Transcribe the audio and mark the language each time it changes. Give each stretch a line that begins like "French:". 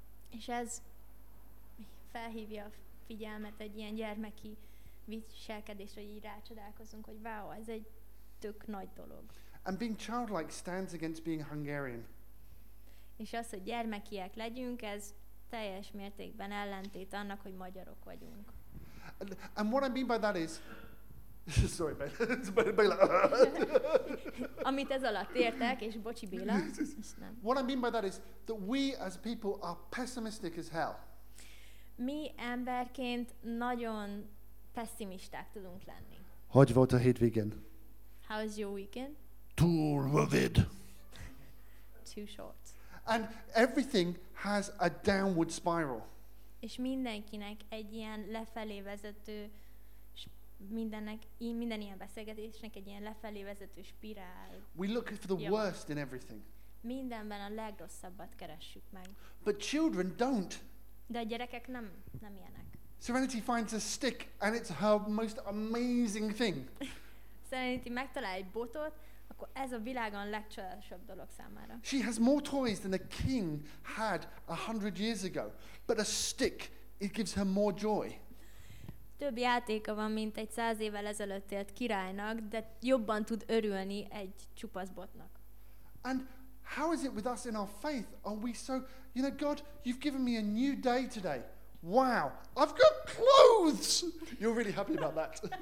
Hungarian: És ez felhívja a figyelmet egy ilyen gyermeki viselkedésre, hogy így rácsodálkozunk, hogy wow, ez egy tök nagy dolog.
English: And being childlike stands against being Hungarian.
Hungarian: És az, hogy gyermekiek legyünk, ez teljes mértékben ellentét annak, hogy magyarok vagyunk.
English: And what I mean by that is, sorry, Béla.
Hungarian: Amit ez alatt értek, és bocsi Béla.
English: What I mean by that is that we as people are pessimistic as hell.
Hungarian: Mi emberként nagyon pessimisták tudunk lenni. Hogy volt a hétvégén?
English: How was your weekend? Too rugged. Too short. And everything has a downward spiral.
Hungarian: És mindenkinek egy ilyen lefelé vezető, minden ilyen beszélgetésnek egy ilyen lefelé vezető spirál.
English: We look for the worst in everything.
Hungarian: Mindenben a legrosszabbat keressük meg.
English: But children don't.
Hungarian: De a gyerekek nem ilyenek.
English: Serenity finds a stick and it's her most amazing thing.
Hungarian: Serenity megtalál egy botot, akkor ez a világon a legcsodálatosabb dolog számára.
English: She has more toys than a king had 100 years ago, but a stick, it gives her more joy.
Hungarian: Több játéka van, mint egy 100 évvel ezelőtt élt királynak, de jobban tud örülni egy csupasz botnak.
English: And how is it with us in our faith? Are we so, you know, God, you've given me a new day today. Wow, I've got clothes! You're really happy about that.